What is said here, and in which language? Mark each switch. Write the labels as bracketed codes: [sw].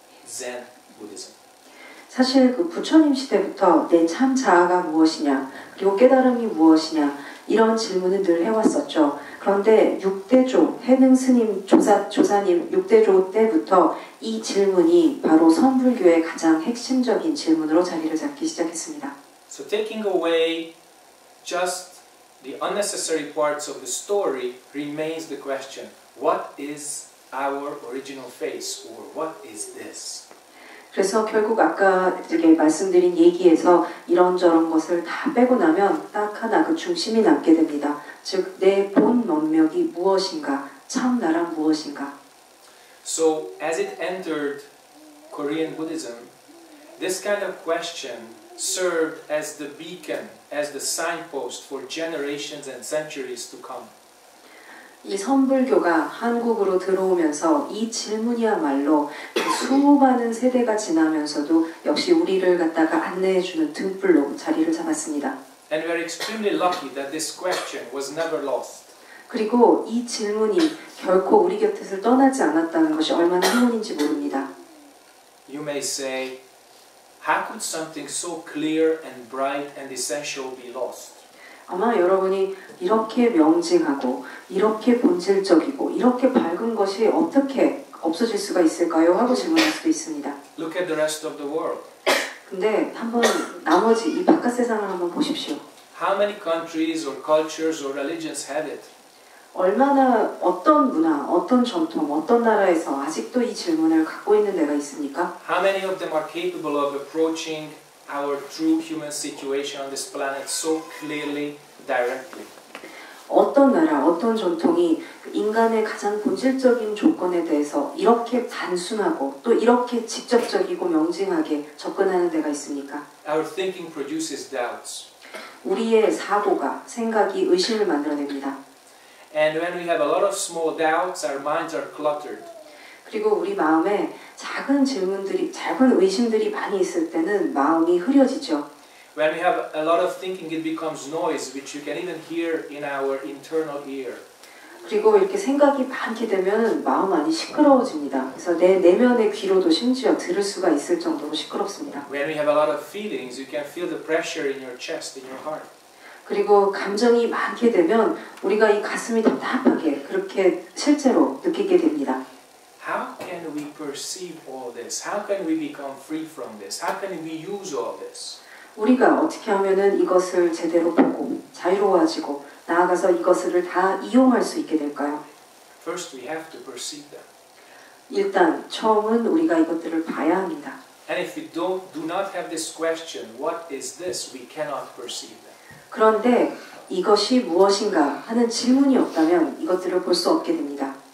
[en] Zen Buddhism. [ko] 사실 그 부처님 시대부터 내 참 자아가 무엇이냐 그리고 깨달음이 무엇이냐 이런 질문을 늘 해왔었죠. 그런데 육대조 해능 스님 조사님 육대조 때부터 이 질문이 바로 선불교의 가장 핵심적인 질문으로 자리를 잡기 시작했습니다. [en] So taking away just the unnecessary parts of the story remains the question, what is our original face or what is this? [ko] 그래서 결국 아까 이렇게 말씀드린 얘기에서 이런저런 것을 다 빼고 나면 딱 하나 그 중심이 남게 됩니다. 즉 내 본 면목이 무엇인가? 참 나란 무엇인가? [en] So as it entered Korean Buddhism, this kind of question served as the beacon, as the signpost for generations and centuries to come. [ko] 이 선불교가 한국으로 들어오면서 이 질문이야말로 수많은 세대가 지나면서도 역시 우리를 갖다가 안내해 주는 등불로 자리를 잡았습니다. [en] And we are extremely lucky that this question was never lost. [ko] 그리고 이 질문이 결코 우리 곁을 떠나지 않았다는 것이 얼마나 행운인지 모릅니다. [en] You may say, how could something so clear and bright and essential be lost? [ko] 아마 여러분이 이렇게 명징하고 이렇게 본질적이고 이렇게 밝은 것이 어떻게 없어질 수가 있을까요? 하고 질문할 수도 있습니다. [en] Look at the rest of the world. [ko] 근데 한번 나머지 이 바깥 세상을 한번 보십시오. [en] How many countries or cultures or religions have it? [ko] 얼마나 어떤 문화, 어떤 전통, 어떤 나라에서 아직도 이 질문을 갖고 있는 데가 있습니까? [en] How many of them are capable of approaching our true human situation on this planet so clearly, directly? [ko] 어떤 나라, 어떤 전통이 인간의 가장 본질적인 조건에 대해서 이렇게 단순하고 또 이렇게 직접적이고 명징하게 접근하는 데가 있습니까? [en] Our thinking produces doubts. [ko] 우리의 사고가, 생각이 의심을 만들어냅니다. [en] And when we have a lot of small doubts, our minds are cluttered. [ko] 그리고 우리 마음에 작은 질문들이, 작은 의심들이 많이 있을 때는 마음이 흐려지죠. [en] When we have a lot of thinking, it becomes noise, which you can even hear in our internal ear. [ko] 그리고 이렇게 생각이 많게 되면 마음 안이 시끄러워집니다. 그래서 내 내면의 귀로도 심지어 들을 수가 있을 정도로 시끄럽습니다. [en] When we have a lot of feelings, you can feel the pressure in your chest, in your heart. [ko] 그리고 감정이 많게 되면 우리가 이 가슴이 답답하게 그렇게 실제로 느끼게 됩니다. [en] How can we perceive all this? How can we become free from this? How can we use all this? [ko] 우리가 어떻게 하면은 이것을 제대로 보고 자유로워지고 나아가서 이것을 다 이용할 수 있게 될까요? [en] First we have to perceive them. [ko] 일단 처음은 우리가 이것들을 봐야 합니다. [en] And if we do not have this question, what is this? We cannot perceive them. [ko] 그런데 이것이 무엇인가 하는 질문이 없다면 이것들을 볼 수 없게 됩니다.